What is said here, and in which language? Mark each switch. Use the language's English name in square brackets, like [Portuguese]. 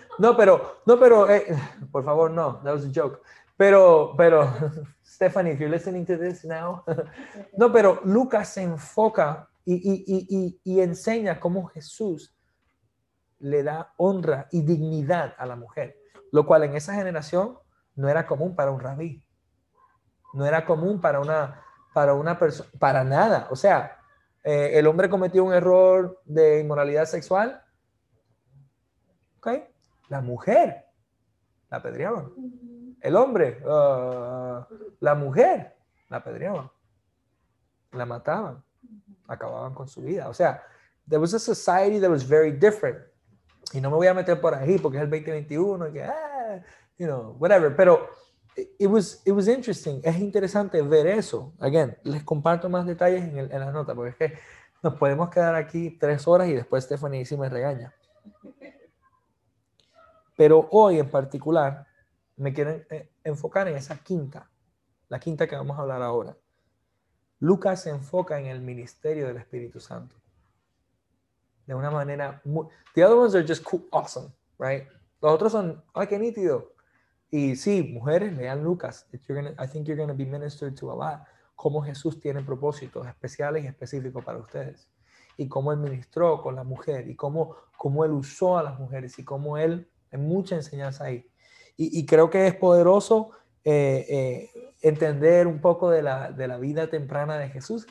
[Spanish] No, pero, por favor, no, [English] that was a joke. Pero, Stephanie, if you're listening to this now. [Spanish] No, pero Lucas se enfoca y enseña cómo Jesús le da honra y dignidad a la mujer, lo cual en esa generación no era común para un rabí. No era común para una persona, para nada. O sea, el hombre cometió un error de inmoralidad sexual. Okay. La mujer la apedreaban. El hombre, la mujer la apedreaban. La mataban. Acababan con su vida. O sea, [English] there was a society that was very different. [Spanish] Y no me voy a meter por ahí porque es el 2021. Que, [English] you know, whatever. [Spanish] Pero [English] it was interesting. [Spanish] Es interesante ver eso. Again, les comparto más detalles en la nota porque es que nos podemos quedar aquí 3 horas y después Stephanie sí me regaña. Pero hoy en particular me quiero enfocar en esa la quinta que vamos a hablar ahora. Lucas se enfoca en el ministerio del Espíritu Santo. De una manera muy... [English] The other ones are just cool, awesome, right? [Spanish] Los otros son, ¡ay, qué nítido! Y sí, mujeres, lean Lucas. [English] I think you're going to be ministered to a lot. [Spanish] Cómo Jesús tiene propósitos especiales y específicos para ustedes. Y cómo él ministró con la mujer. Y cómo él usó a las mujeres. Y cómo él... Hay mucha enseñanza ahí. Y creo que es poderoso entender un poco de la vida temprana de Jesús.